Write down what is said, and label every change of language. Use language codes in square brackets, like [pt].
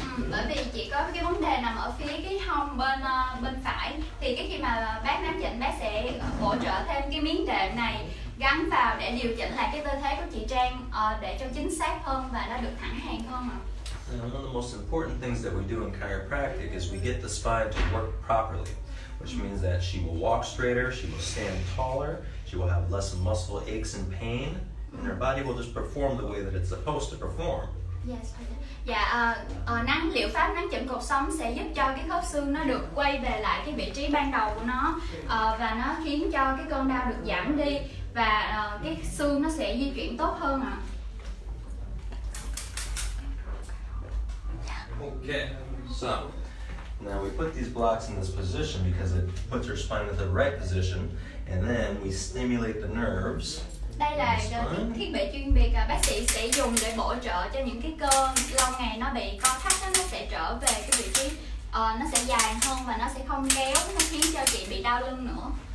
[vi] Bởi vì chỉ có cái vấn đề nằm ở phía cái hông bên bên phải, thì cái khi mà bác nắm chỉnh, bác sẽ hỗ trợ thêm cái miếng đệm này gắn vào để điều chỉnh lại cái tư thế của chị Trang để cho chính xác hơn và nó được thẳng hàng hơn ạ. [en] One of the most important things that we do in chiropractic is we get the spine to work properly, which means that she will walk straighter, she will stand taller, she will have less muscle aches and pain, and her body will just perform the way that it's supposed to perform. [vi] Yes, năng liệu pháp nắng chỉnh cột sống sẽ giúp cho cái khớp xương nó được quay về lại cái vị trí ban đầu của nó, và nó khiến cho cái cơn đau được giảm đi và cái xương nó sẽ di chuyển tốt hơn ạ. [en] Okay, so now we put these blocks in this position because it puts your spine in the right position, and then we stimulate the nerves. [vi] Đây là thiết bị chuyên biệt bác sĩ sẽ dùng để bổ trợ cho những cái cơ lâu ngày nó bị co thắt, nó sẽ trở về cái vị trí nó sẽ dài hơn và nó sẽ không kéo, nó khiến cho chị bị đau lưng nữa.